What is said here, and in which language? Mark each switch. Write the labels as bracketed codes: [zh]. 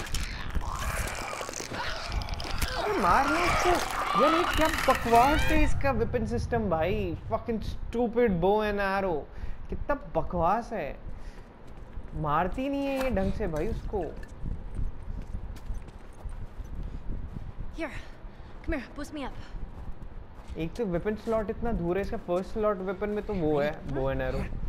[hi] अरे मारने को ये नहीं क्या बकवास है इसका weapon system भाई. [en] Fucking stupid bow and arrow. [hi] कितना बकवास है. मारती नहीं है ये ढंग से भाई उसको. [en] Here, come here, boost me up. [hi] एक तो वेपन स्लॉट इतना दूर है इसका. [en] first slot weapon [hi] में तो वो है [en] Bow and arrow.